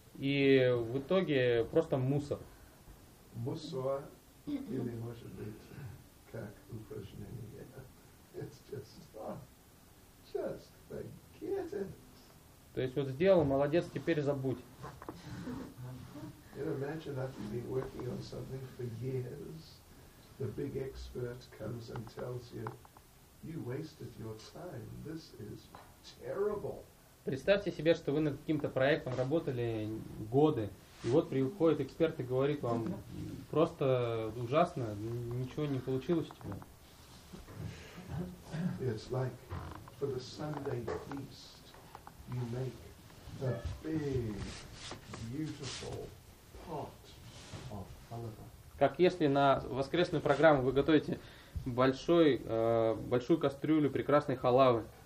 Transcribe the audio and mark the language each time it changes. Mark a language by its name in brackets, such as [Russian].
[Russian] И в итоге просто мусор. Мусор. Или может быть как упражнение. [English] It's just fun. Just forget it. [Russian] То есть вот сделал, молодец, теперь забудь. [English] You know, imagine that you've been working on something for years. The big expert comes and tells you, you wasted your time. This is terrible. [Russian] Представьте себе, что вы над каким-то проектом работали годы. И вот приходит эксперт и говорит вам, просто ужасно, ничего не получилось у тебя. [English] It's like for the Sunday feast you make the big, beautiful pot of halva. [Russian] Как если на воскресную программу вы готовите большой, большую кастрюлю прекрасной халавы.